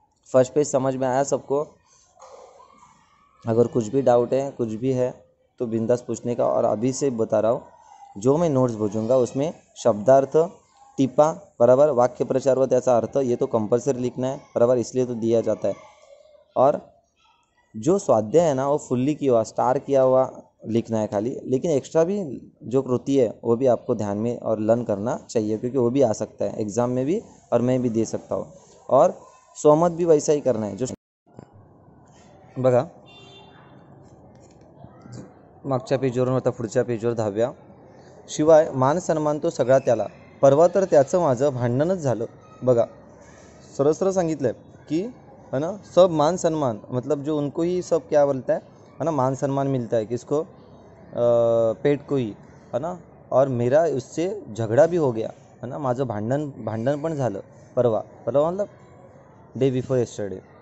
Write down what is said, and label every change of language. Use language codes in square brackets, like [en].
[hi] First page समझ में आया सबको, अगर कुछ भी डाउट है कुछ भी है तो बिंदास पूछने का, और अभी से बता रहा हूँ जो मैं नोट्स भेजूंगा उसमें [mr] शब्दार्थ टीपा बराबर वाक्य प्रचार व त्याचा अर्थ [hi] ये तो कंपलसरी लिखना है बराबर, इसलिए तो दिया जाता है। और जो स्वाध्याय है ना वो फुल्ली किया हुआ स्टार किया हुआ लिखना है खाली, लेकिन एक्स्ट्रा भी जो कृति है वो भी आपको ध्यान में और लर्न करना चाहिए, क्योंकि वो भी आ सकता है एग्ज़ाम में भी, और मैं भी दे सकता हूँ। और स्वमत भी वैसा ही करना है, [mr] जो बघा मागच्या पेजवर होता पुढच्या पेजवर दहाव्या, शिवाय मान सन्मान तो सगळा त्याला, परवा तर त्याचं माझं भांडणच झालं। [hi] बघा सरसर सांगितलं की है ना, सब मान सन्मान, मतलब जो उनको ही सब क्या बोलता है ना, मान सन्मान मिलता है किसको, पेट को ही है ना, और मेरा उससे झगड़ा भी हो गया है ना, [mr] माझं भांडण भांडण पण झालं परवा, [hi] परवा मतलब [en] Day before yesterday.